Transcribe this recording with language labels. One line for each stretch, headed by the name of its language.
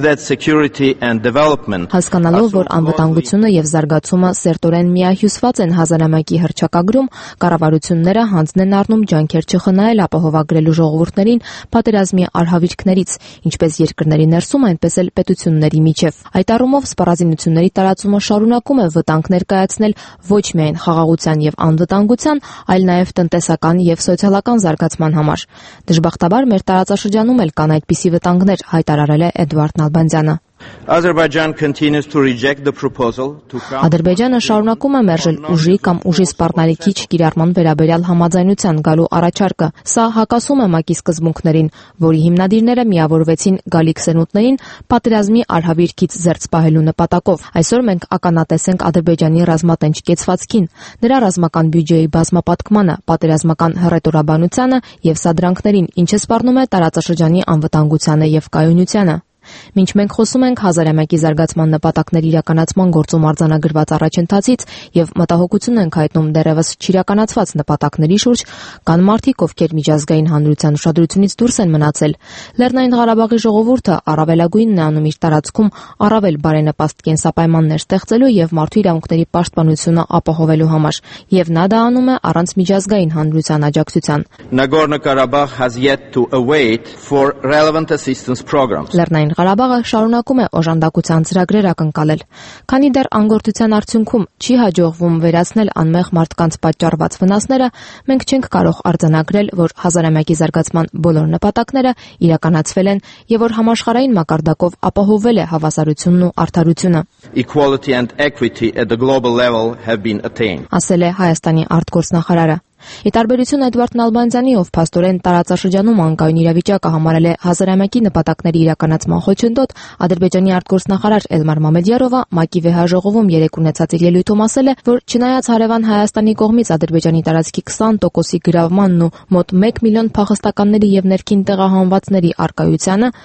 Armenian: Հասկանալով, որ անվտանգությունը եւ զարգացումը սերտորեն միահյուսված են հազարամյակի հռչակագրում, կառավարությունները հանձն են առնում ջանքեր չխնայել ապահովագրելու ժողովուրդներին պատերազմի արհավիրքներից, ինչպես երկրների ներսում, այնպես էլ պետությունների միջև։ Այդ առումով սպառազինությունների տարածումը ունակում է վտանգ ներկայացնել ոչ միայն խաղաղության եւ անվտանգության, այլ նաեւ տնտեսական եւ սոցիալական զարգացման համար։ Դժբախտաբար մեր տարածաշրջանում էլ կան այդպիսի վտանգներ, հայտարարել է Էդվարդ Նալբանդյանը։
English: Azerbaijan continues to reject the proposal to come.
Armenian: Ադրբեջանը շարունակում է մերժել ուժի կամ ուժի սպառնալիքի չկիրառման վերաբերյալ համաձայնության գալու առաջարկը։ Սա հակասում է ՄԱԿ-ի սկզբունքներին, որի հիմնադիրները միավորվեցին գալի քսենուտներին պատերազմի արհավիրքից զերծ պահելու նպատակով։ Այսօր մենք ականատես ենք Ադրբեջանի ռազմատենչ կեցվածքին, նրա ռազմական բյուջեի բազմապատկմանը, պատերազմական հռետորաբանությանը եւ սադրանքներին, ինչը սպառնում է տարածաշրջանի անվտանգությանը եւ կայունությանը։ Մինչ մենք խոսում ենք հազարամյակի զարգացման նպատակների իրականացման գործում արձանագրված առաջընթացից եւ մտահոգություն ենք հայտնում դեռևս չիրականացված նպատակների շուրջ, կան մարդիկ, ովքեր միջազգային հանրության ուշադրությունից դուրս են մնացել։ Լեռնային Ղարաբաղի ժողովուրդը առավելագույնն է անում իր տարածքում առավել բարենպաստ կենսապայմաններ ստեղծելու եւ մարդու իրավունքների պաշտպանությունը ապահովելու համար, եւ նա դա անում է առանց միջազգային հանրության աջակցության։
English: Նագորնո-Ղարաբաղ has yet to await for relevant assistance programs.
Armenian: Լեռնային Ղարաբաղը շարունակում է օժանդակության ծրագրեր ակնկալել, քանի դեռ անգործության արդյունքում չի հաջողվում վերացնել անմեղ մարդկանց պատճառված վնասները, մենք չենք կարող արձանագրել, որ հազարամյակի զարգացման բոլոր նպատակները իրականացվել են եւ որ համաշխարհային մակարդակով ապահովվել է հավասարությունն ու արդարությունը։
English: Equality and equity at the global level have been attained.
Armenian: Ասել է Հայաստանի արտգործնախարարը։ Ի տարբերություն Էդվարդ Նալբանդյանի, ով փաստորեն տարածաշրջանում անկայուն իրավիճակը համարել է հազարամյակի նպատակների իրականացման խոչընդոտ, Ադրբեջանի արտգործնախարար Էլմար Մամեդյարովը ՄԱԿ-ի վեհաժողովում երեկ ունեցած իր ելույթում ասել է, որ չնայած հարևան Հայաստանի կողմից Ադրբեջանի տարածքի 20%-ի գրավմանն ու մոտ 1 միլիոն փախստականների եւ ներքին տեղահանվածների առկայությանը,